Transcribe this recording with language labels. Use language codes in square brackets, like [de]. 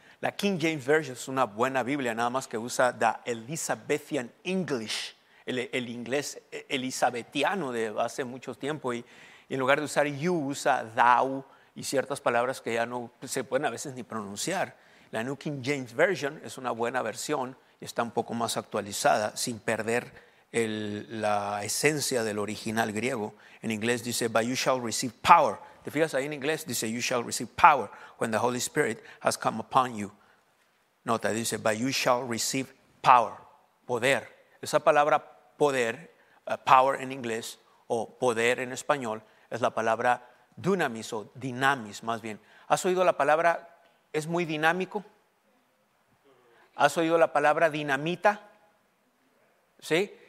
[es] La King James Version es una buena Biblia, nada más que usa [en] the Elizabethan English, [es] el inglés elisabetiano de hace mucho tiempo, y en lugar de usar you, usa thou y ciertas palabras que ya no se pueden a veces ni pronunciar. La New King James Version es una buena versión y está un poco más actualizada, sin perder la esencia del original griego. En inglés dice, [en] but you shall receive power. [es] ¿Te fijas ahí en inglés? [en] Dice, you shall receive power when the Holy Spirit has come upon you. [es] Nota, dice, [en] but you shall receive power, [es] poder. Esa palabra poder, power en inglés, o poder en español, es la palabra dunamis o dinamis, más bien. ¿Has oído la palabra, es muy dinámico? ¿Has oído la palabra dinamita? ¿Sí?